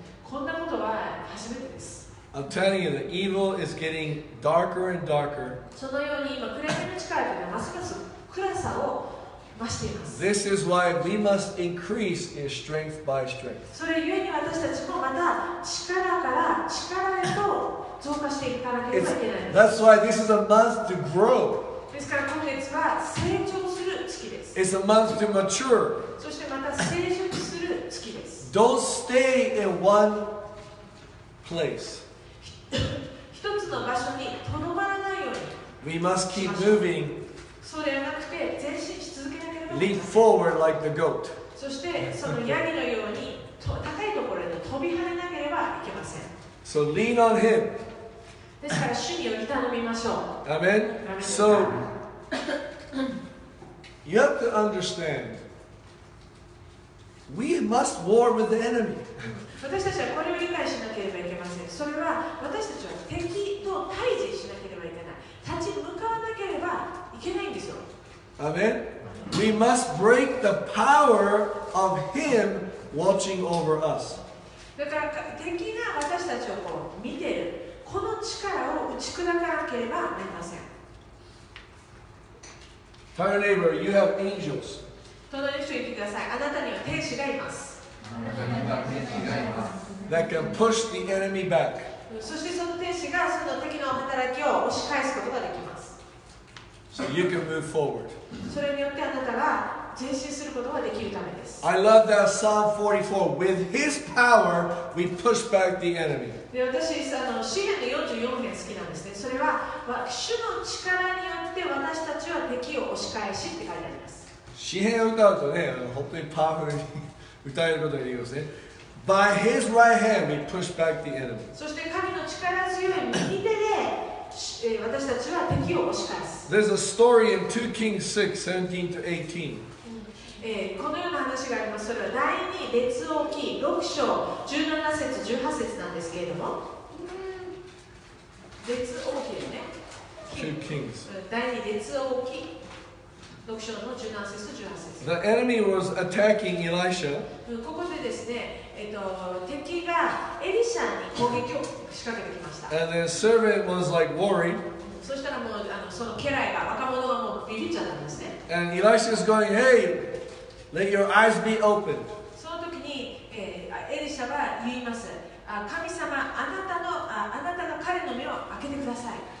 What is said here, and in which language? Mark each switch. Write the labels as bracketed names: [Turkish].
[Japanese] こんなことは初めてです。 [English] I'm telling you, the evil is getting darker and darker. [Japanese] そのように今暗闇の力というのはますます暗さを、 [English] This is why we must increase in strength by strength. [Japanese] それゆえに私たちもまた力から力へと増加していかなければいけないんです。 [English] That's why this is a month to grow. [Japanese] ですから今月は成長する月です。 [English] It's a month to mature. [Japanese] そしてまた成長する月です。 [English] Don't stay in one place. [Japanese] 一つの場所にとどまらないように。 [English] We must keep moving. [Japanese] そうではなくて前進し続け。 [English] Leap forward like the goat. [Japanese] そしてそのヤギのようにと高いところへと飛び跳ねなければいけません。 [English] So lean on him. [Japanese] ですから主により頼みましょう。 [English] Amen. So you have to understand, we must war with the enemy. [Japanese] 私たちはこれを理解しなければいけません。それは私たちは敵と対峙しなければいけない。立ち向かわなければいけないんですよ。 [English] Amen. We must break the power of him watching over us. [Japanese] だから敵が私たちをこう見ている、この力を打ち砕かなければなりません。 [English] Tell your neighbor, you have angels. [Japanese] 隣の人に言ってください。あなたには天使がいます。 [English] That can push the enemy back. [Japanese] そしてその天使がその敵の働きを押し返すことができます。 [English] So you can move forward. [Japanese] それによってあなたが前進することができるためです。 [English] I love that Psalm 44. With His power, we push back the enemy. [Japanese] で、私あの詩篇の44編好きなんですね。それは、まあ、主の力によって私たちは敵を押し返しって書いてあります。詩篇を歌うとね、本当にパワフルに歌えることができますね。 [English] By His right hand, we push back the enemy. [Japanese] そして神の力強い右手で。私たちは敵を押し返す。 [English] There's a story in 2 Kings 6, 17 to 18. [Japanese] このような話があります。それは第二列王記6章17節18節なんですけれども。列王記ね。 [English] 2 Kings. [Japanese] 第二列王記6章の17節と18節。 [English] The enemy was attacking Elisha. [Japanese] ここでですね、敵がエリシャに攻撃を仕掛けてきました。 [English] And the servant was like worried. [Japanese] そしたらもうその家来が、若者がもうビビっちゃったんですね。 [English] And Elisha is going, hey, let your eyes be opened. [Japanese] その時に、エリシャは言います。神様、あなたの彼の目を開けてください。